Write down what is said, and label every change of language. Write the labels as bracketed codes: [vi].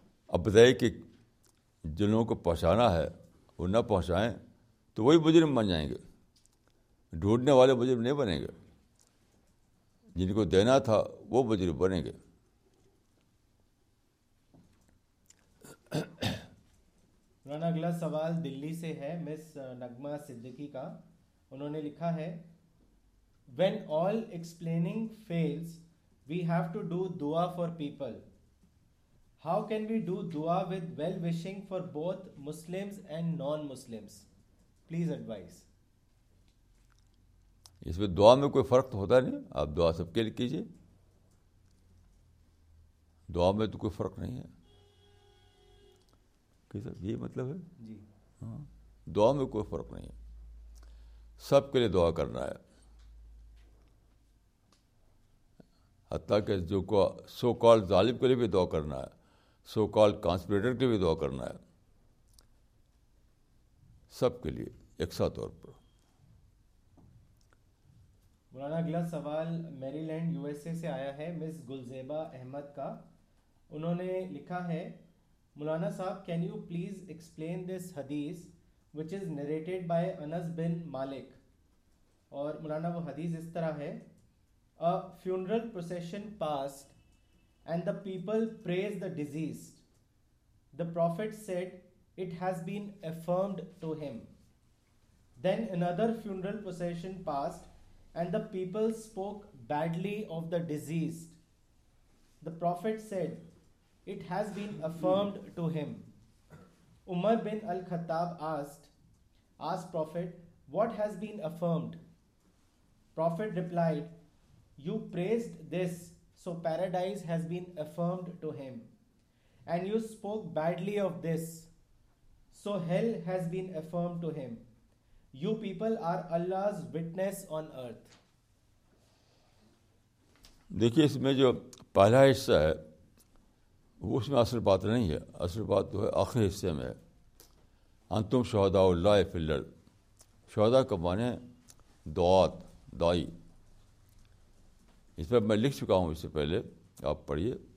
[ur] اب بتائیے کہ جن لوگوں کو پہنچانا ہے وہ نہ پہنچائیں تو وہی مجرم بن جائیں گے, ڈھونڈنے والے مجرم نہیں بنیں گے. جن کو دینا تھا وہ مجرم بنیں گے. مولانا, اگلا سوال دلی سے ہے مس نغمہ صدیقی کا. انہوں نے لکھا ہے, [en] When all explaining fails we have to do dua for people, how can we do dua with well wishing for both muslims and non muslims, please advise. [ur] اس میں دعا میں کوئی فرق تو ہوتا نہیں, آپ دعا سب کے لیے کیجیے. دعا میں تو کوئی فرق نہیں ہے, یہ مطلب ہے جی. دعا میں کوئی فرق نہیں ہے, سب کے لیے دعا کرنا ہے. حتیٰ کہ جو کو سو کال ظالم کے لیے بھی دعا کرنا ہے, سو کال کانسپریٹر کے بھی دعا کرنا ہے, سب کے لیے یکساں طور پر. مولانا, اگلا سوال میری لینڈ یو ایس اے سے آیا ہے مس گلزیبا احمد کا. انہوں نے لکھا ہے, [en] مولانا صاحب can you please explain this hadith which is narrated by Anas bin Malik. [ur] اور مولانا وہ حدیث اس طرح ہے, [en] Funeral procession pass and the people praise the deceased, the prophet said it has been affirmed to him, then another funeral procession passed and the people spoke badly of the deceased, the prophet said It has been affirmed to him. Umar bin al-Khattab asked Prophet, what has been affirmed? Prophet replied, you praised this, so paradise has been affirmed to him. And you spoke badly of this, so hell has been affirmed to him. You people are Allah's witness on earth. [ur] دیکھیے اس میں جو پہلا حصہ ہے وہ اس میں اصل بات نہیں ہے, اصل بات تو ہے آخری حصے میں, [ar] انتم شہداء اللہ فی الارض. [ur] شہداء کا معنی دعات, دائی. اس پر میں لکھ چکا ہوں اس سے پہلے, آپ پڑھیے.